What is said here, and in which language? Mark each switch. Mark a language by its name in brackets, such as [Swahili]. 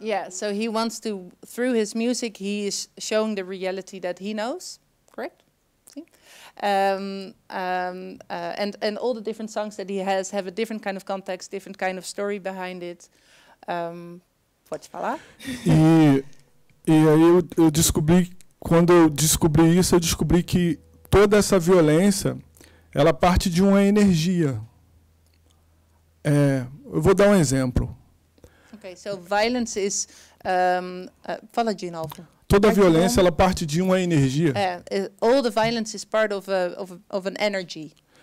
[English] So he wants to, through his music, he is showing the reality that he knows. Correct? And all the different songs that he has have a different kind of context, different kind of story behind it. [Portuguese] Pode falar? E aí eu descobri que toda essa violência, ela parte de uma energia. Eu vou dar um exemplo. [English] Ok, so violence is... [Portuguese] fala de novo. Toda a violência, ela parte de uma energia. [English] All the violence is part of an energy.